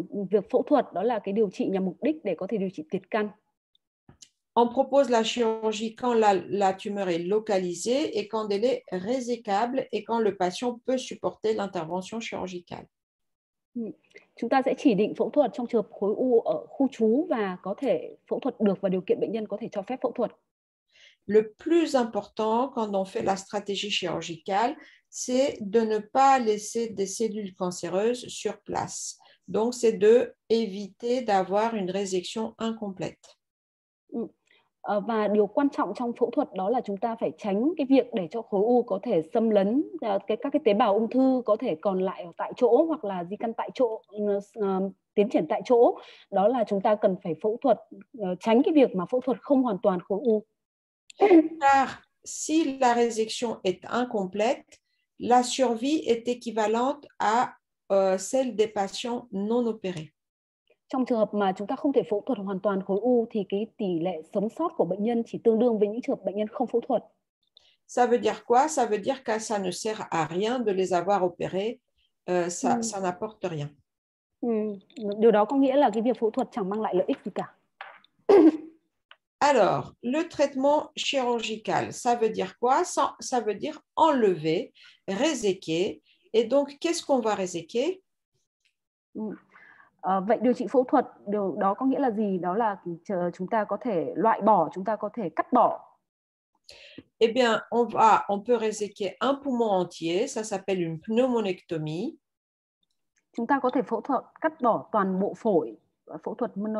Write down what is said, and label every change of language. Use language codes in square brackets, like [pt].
[vi] Việc phẫu thuật đó là cái điều trị nhằm mục đích để có thể điều trị tiệt căn. [fr] On propose la chirurgie quand la tumeur est localisée et quand elle est résécable et quand le patient peut supporter l'intervention chirurgicale. [vi] Chúng ta sẽ chỉ định phẫu thuật trong trường hợp khối u ở khu trú và có thể phẫu thuật được và điều kiện bệnh nhân có thể cho phép phẫu thuật. [fr] Le plus important quand on fait la stratégie chirurgicale, c'est de ne pas laisser des cellules cancéreuses sur place. Donc c'est de éviter d'avoir une résection incomplète. [vi] Và điều quan trọng trong phẫu thuật đó là chúng ta phải tránh cái việc để cho khối u có thể xâm lấn, các cái tế bào ung thư có thể còn lại ở tại chỗ hoặc là di căn tại chỗ, tiến triển tại chỗ. Đó là chúng ta cần phải phẫu thuật, tránh cái việc mà phẫu thuật không hoàn toàn khối u. [fr] Car si la résection est incomplète, la survie est équivalente à celle des patients non opérés. [vi] Trong trường hợp mà chúng ta không thể phẫu thuật hoàn toàn khối u thì cái tỷ lệ sống sót của bệnh nhân chỉ tương đương với những trường hợp bệnh nhân không phẫu thuật. [fr] Ça veut dire quoi? Ça veut dire que ça ne sert à rien de les avoir opérés. Ça n'apporte rien. [vi] Điều đó có nghĩa là cái việc phẫu thuật chẳng mang lại lợi ích gì cả. [fr] Alors, le traitement chirurgical, ça veut dire quoi? Ça veut dire enlever, réséquer. Et donc, qu'est-ce qu'on va réséquer? [vi] Vậy điều trị phẫu thuật điều đó có nghĩa là gì? Đó là chúng ta có thể loại bỏ, chúng ta có thể cắt bỏ. [fr] Eh bien, on peut réséquer un poumon entier, ça s'appelle une pneumonectomie. [vi] Chúng ta có thể phẫu thuật cắt bỏ toàn bộ phổi, phẫu thuật